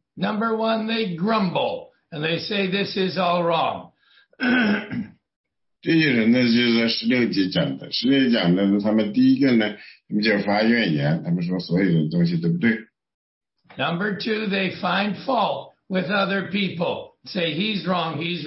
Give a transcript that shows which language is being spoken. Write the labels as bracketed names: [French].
[English] Number one, they grumble, and they say, this is all wrong. [Chinese] 这些人呢，就是在16节讲的，他们第一个呢，他们就发怨言，他们说所有的东西都不对。 [English] Number two, they find fault with other people, say, he's wrong.